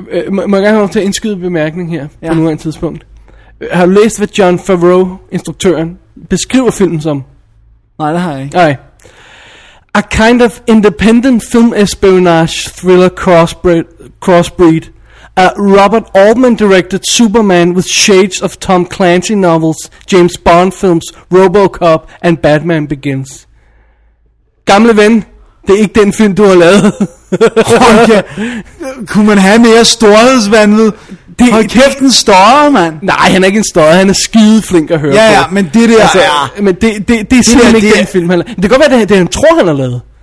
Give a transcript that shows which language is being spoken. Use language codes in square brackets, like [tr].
[da] Må jeg gerne have til at indskyde bemærkning her, ja. På nuværende tidspunkt. Har du læst, hvad John Favreau, instruktøren, beskriver filmen som? Nej, det har jeg ikke. Nej. [en] A kind of independent film espionage thriller crossbreed. A Robert Altman directed Superman with shades of Tom Clancy novels, James Bond films, RoboCop and Batman Begins. [da] Gamle ven, det er ikke den film, du har lavet. Kunne man have mere storhedsvandet? Det, hold kæft, en støjer, mand. Nej, han er ikke en støjer. Han er skide flink at høre ja, på. Ja, men det der altså, er... Men det er simpelthen ikke den film, han lavede. Det kan godt være, det er han tror, han har lavet.